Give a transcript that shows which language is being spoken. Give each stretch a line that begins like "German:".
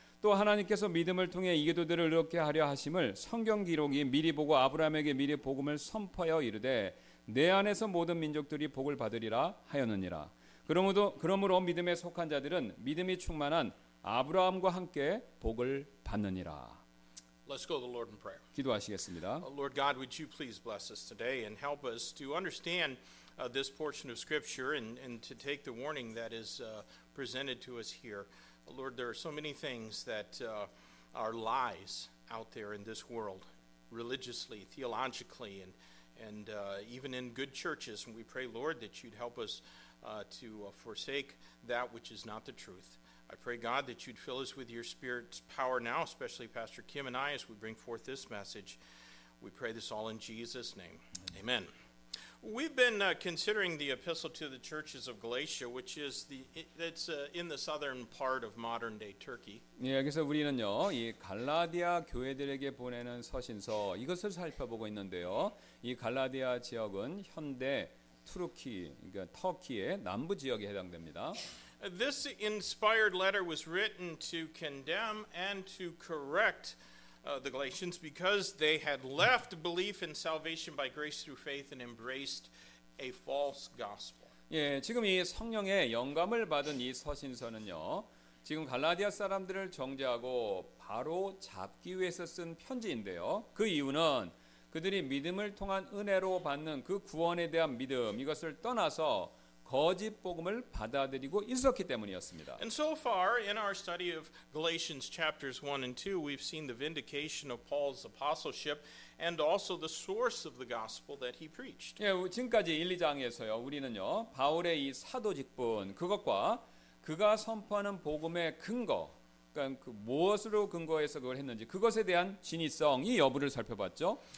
Korean: 또 하나님께서 믿음을 통해 이교도들을 이렇게 하려 하심을 성경 기록이 미리 보고 아브라함에게 미리 복음을 선포하여 이르되 내 안에서 모든 민족들이 복을 받으리라 하였느니라. 그러므로 믿음에 속한 자들은 믿음이 충만한 아브라함과 함께 복을 받느니라.
English: Let's go to the Lord in prayer.
Korean: 기도하시겠습니다.
English: Lord God, would you please bless us today and help us to understand this portion of scripture and to take the warning that is presented to us here. Lord, there are so many things that are lies out there in this world, religiously, theologically, and even in good churches. And we pray, Lord, that you'd help us to forsake that which is not the truth. I pray, God, that you'd fill us with your Spirit's power now, especially Pastor Kim and I, as we bring forth this message. We pray this all in Jesus' name. Amen. We've been considering the Epistle to the Churches of Galatia, which is in the southern part of modern-day Turkey.
Korean: 예, 그래서 우리는요, 이 갈라디아 교회들에게 보내는 서신서 이것을 살펴보고 있는데요. 이 갈라디아 지역은 현대 투르키, 그러니까 터키의 남부 지역에 해당됩니다.
English: This inspired letter was written to condemn and to correct. The Galatians, because they had left belief in salvation by grace through faith and embraced a false gospel.
Korean: 예, 지금 이 성령의 영감을 받은 이 서신서는요, 지금 갈라디아 사람들을 정죄하고 바로 잡기 위해서 쓴 편지인데요. 그 이유는 그들이 믿음을 통한 은혜로 받는 그 구원에 대한 믿음 이것을 떠나서 거짓 복음을 받아들이고 있었기 때문이었습니다.
English: And so far in our study of Galatians chapters 1 and 2, we've seen the vindication of Paul's apostleship and also the source of the gospel that he preached.
Korean: 예, 지금까지 1, 2장에서요. 우리는요. 바울의 이 사도직분 그것과 그가 선포하는 복음의 근거 그러니까 그 무엇으로 근거해서 그걸 했는지 그것에 대한 진위성 이 여부를 살펴봤죠.